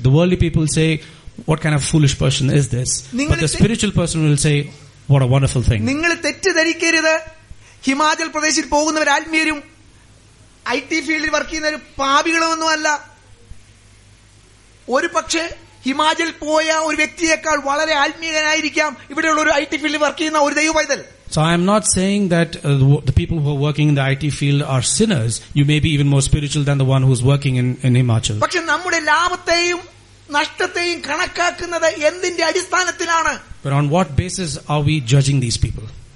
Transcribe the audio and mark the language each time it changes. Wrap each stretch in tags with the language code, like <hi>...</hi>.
<en>The worldly people say, what kind of foolish person is this? But the spiritual person will say, what a wonderful thing.</en> <ml>നിങ്ങളെ തെറ്റിദ്ധരിക്കരുത്. ഹിമാചൽ പ്രദേശിൽ പോകുന്നവർ ആത്മീയരും IT ഫീൽഡിൽ work ചെയ്യുന്നവർ പാപികളൊന്നുമല്ല. ഒരു പക്ഷേ ഹിമാചൽ പോയ ഒരു വ്യക്തിയേക്കാൾ വളരെ ആത്മീയനായിരിക്കാം ഇവിടെയുള്ള ഒരു ഐടി ഫീൽഡിൽ വർക്ക് ചെയ്യുന്ന ഒരു ദൈവ പൈതൽ.</ml> <en>So I am not saying that the people who are working in the IT field are sinners. You may be even more spiritual than the one who is working in Himachal.</en> <ml>പക്ഷെ നമ്മുടെ ലാഭത്തെയും നഷ്ടത്തെയും കണക്കാക്കുന്നത് എന്തിന്റെ അടിസ്ഥാനത്തിലാണ്?</ml> <en>But on what basis are we judging these people?</en>